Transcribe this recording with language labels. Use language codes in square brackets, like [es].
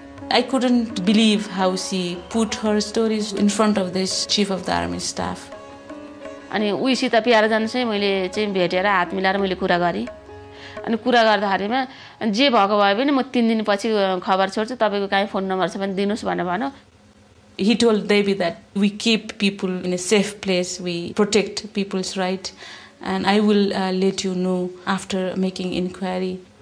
[en] I couldn't believe how she put her stories in front of this chief of the army staff. [ne] अनि उसित प्यार जान चाहिँ मैले चाहिँ भेटेर हात मिलाएर मैले कुरा गरेँ. अनि कुरा गर्दाखेरिमा जे भएको भए पनि म 3 दिनपछि खबर छोड्छु, तपाईँको कहीँ फोन नम्बर छ भने दिनुहोस् भनेर भन्यो. [en] He told Devi that we keep people in a safe place, we protect people's right, and I will let you know after making inquiry.